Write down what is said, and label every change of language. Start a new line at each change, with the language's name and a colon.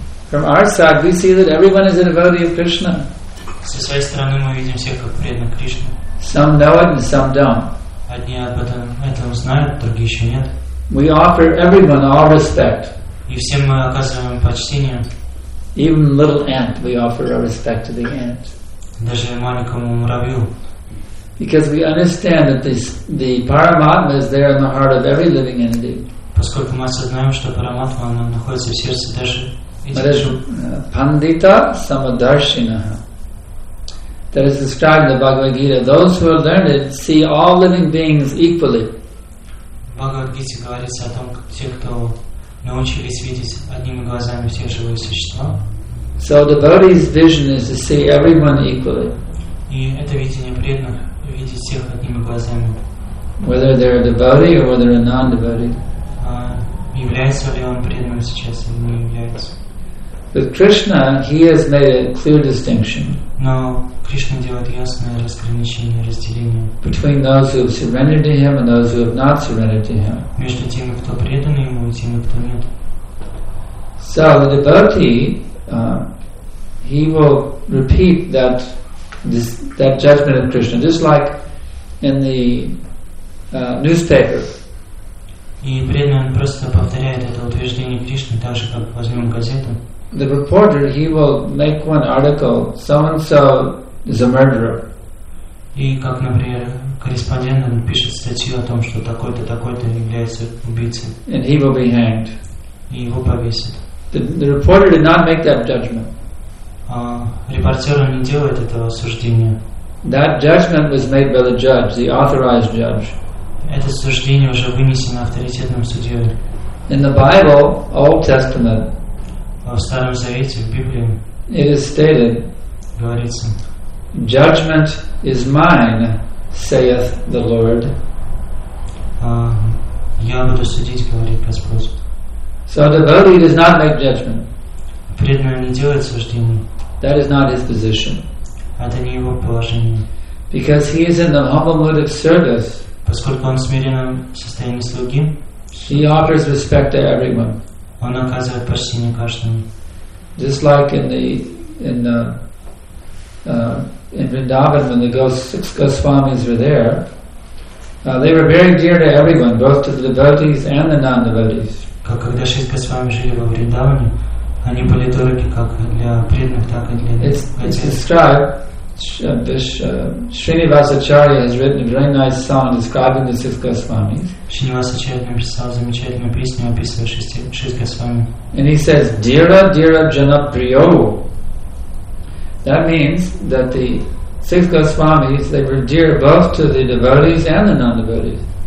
English: From our side, we see that everyone is a devotee of Krishna.
Russian: Со своей стороны мы видим всех как преданных Кришны.
English: Some know it and some don't.
Russian: Одни об этом знают, другие еще нет.
English: We offer everyone all respect.
Russian: И всем мы оказываем почтение.
English: Even little ant, we offer our respect to the ant.
Russian: Даже маленькому муравью.
English: Because we understand that the Paramatma is there in the heart of every living entity.
Russian: Поскольку мы осознаем, что Параматма находится в сердце даже.
Sanskrit: Пандита самадаршинаха.
English: That is described in the Bhagavad Gita. Those who have learned it see all living beings equally.
Russian: Bhagavad Gita говорится о том, как те, кто научились видеть одними глазами всех живых существ.
English: So the devotee's vision is to see everyone equally.
Russian: И это видение преданных видеть всех одними глазами.
English: Whether they're a devotee or whether they're a non-devotee.
Russian: Является ли он преданным сейчас или не является?
English: With Krishna, he has made a clear distinction.
Russian: Но Кришна делает ясное разграничение, разделение.
English: Between those who have surrendered to him and those who have not surrendered to him.
Russian: Между теми, кто предан ему, и теми, кто нет.
English: So the devotee, he will repeat that judgment of Krishna, just like in the newspaper.
Russian: И преданный он просто повторяет это утверждение Кришны, так же как возьмем газету.
English: The reporter, he will make one article, so-and-so is a murderer.
Russian: И как, например, корреспондент пишет статью о том, что такой-то, такой-то является убийцей.
English: And he will be hanged.
Russian: И его повесят.
English: The reporter did not make that judgment.
Russian: Репортер не делает этого суждения.
English: That judgment was made by the judge, the authorized judge.
Russian: Это суждение уже вынесено авторитетным судьей.
English: In the Bible, Old Testament,
Russian: в Старом Завете, в Библии,
English: it is stated,
Russian: говорится,
English: judgment is mine, saith the Lord.
Russian: Я буду судить, говорит Господь.
English: So the devotee does not make judgment.
Russian: Преданный не делает суждения.
English: That is not his position.
Russian: Это не его положение.
English: Because he is in the humble mood of service.
Russian: Поскольку он в смиренном состоянии слуги,
English: he offers respect to everyone.
Russian: Он оказывает почтение каждому.
English: Just like in Vrindavan, when the six Goswamis were there, they were very dear to everyone, both to the devotees and the non-devotees.
Russian: Как когда шесть Госвами жили во Вриндаване, они были дороги как для преданных, так и для
English: It's described. Srinivasacharya has written a very nice song describing the six Goswamis.
Russian: Шринивасачарья написал замечательную песню, описывая шесть Госвами.
English: And he says,
Sanskrit: "Dira dira jana priyo."
English: That means that the six Goswamis, they were dear both to the devotees and the non-devotees.